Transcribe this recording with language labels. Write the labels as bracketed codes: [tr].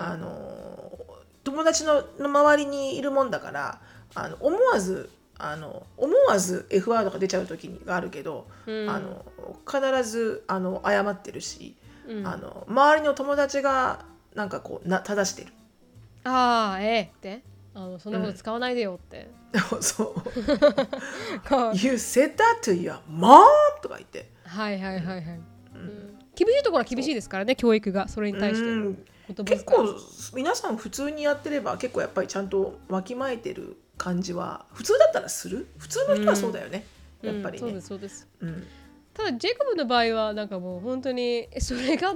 [ja] あの友達 の周りにいるもんだから、あの思わずあの思わず F ワードが出ちゃう時があるけど、うん、あの必ずあの謝ってるし、うん、あの周りの友達がなんかこうな正してる、あーええってあのそんなこと使わないでよって、うん、そう [en] You said that to your mom [ja] とか言って、はいはいはいはい、うん、厳しいところは厳しいですからね、教育がそれに対して言葉遣い、うん、結構皆さん普通にやってれば結構やっぱりちゃんとわきまえてる感じは普通だったらする、普通の人はそうだよね、うん、やっぱりね、うん、そうですそうです、うん、ただジェイコブの場合はなんかもう本当にそれがなん